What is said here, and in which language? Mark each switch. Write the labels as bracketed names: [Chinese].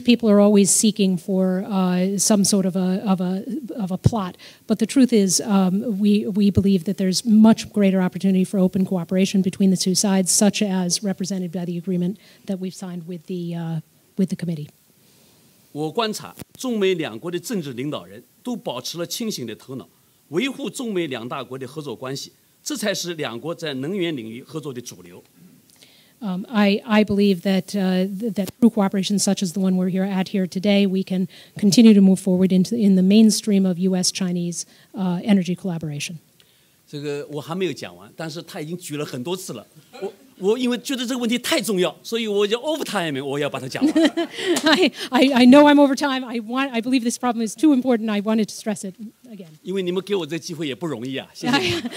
[English] people are always seeking for some sort of a plot, but the truth is, we believe that there's much greater opportunity for open cooperation between the two sides, such as represented by the agreement that we've signed with the committee. [Chinese] 我观察中美两国的政治领导人都保持了清醒的头脑，维护中美两大国的合作关系，这才是两国在能源领域合作的主流。 [English] I believe that that through cooperation such as the one we're here at here today, we can continue to move forward in the mainstream of U.S.-Chinese energy collaboration. [Chinese] 这个我还没有讲完，但是他已经举了很多次了。我因为觉得这个问题太重要，所以我就 overtime， 我要把它讲完。 [English] I know I'm over time. I believe this problem is too important. I wanted to stress it again. [Chinese] 因为你们给我这个机会也不容易啊，谢谢。